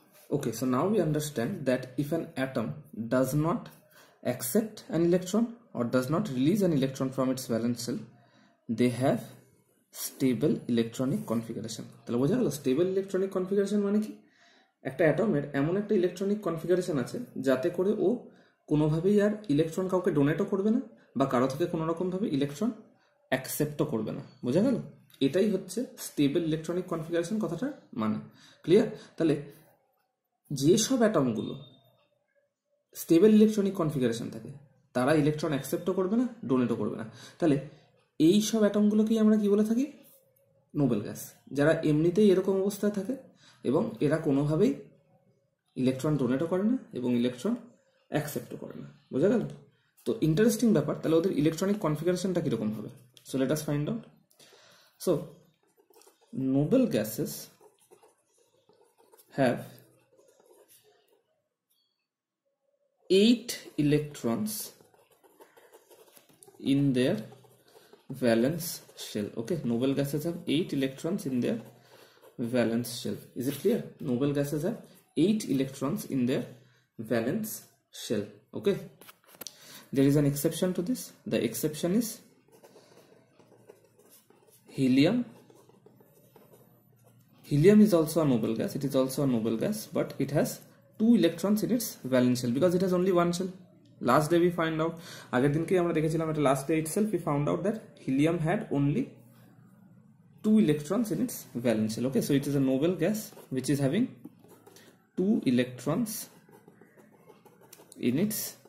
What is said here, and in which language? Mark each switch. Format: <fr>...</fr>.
<en>Okay, so now we understand that if an atom does not accept an electron or does not release an electron from its valence shell, they have stable electronic configuration.</en> <bn>তাহলে বোঝা গেল stable electronic configuration মানে কি? একটা অ্যাটমের এমন একটা electronic configuration আছে যাতে করে ও কোনোভাবেই আর ইলেকট্রন কাউকে ডোনেটও করবে না বা কারো থেকে কোনো রকমভাবে ইলেকট্রন অ্যাকসেপ্টও করবে না। বোঝা গেল? এটাই হচ্ছে স্টেবল ইলেকট্রনিক কনফিগারেশন কথাটা মানে। ক্লিয়ার? তাহলে যেসব অ্যাটমগুলো স্টেবল ইলেকট্রনিক কনফিগারেশন থাকে তারা ইলেকট্রন অ্যাকসেপ্টও করবে না ডোনেটও করবে না। তাহলে এই সব অ্যাটমগুলোকেই আমরা কি বলে থাকি? Nobel gas. যারা এমনিতেই এরকম অবস্থায় থাকে এবং এরা কোনোভাবেই ইলেকট্রন ডোনেটও করে না এবং ইলেকট্রন অ্যাকসেপ্টও করে না। বোঝা গেল? তো ইন্টারেস্টিং ব্যাপার, তাহলে ওদের ইলেকট্রনিক কনফিগারেশনটা কীরকম হবে?</bn> <en>So let us find out. So noble gases have 8 electrons in their valence shell. Okay, noble gases have 8 electrons in their valence shell. Is it clear? Noble gases have 8 electrons in their valence shell. Okay, there is an exception to this. The exception is helium. Helium is also a noble gas. It is also a noble gas, but it has 2 electrons in its valence shell because it has only one shell. Last day we find out,</en> <bn>আগের দিনকেই আমরা দেখেছিলাম এটা,</bn> <en>Last day itself we found out that helium had only 2 electrons in its valence shell. Okay, so it is a noble gas which is having 2 electrons in its</en>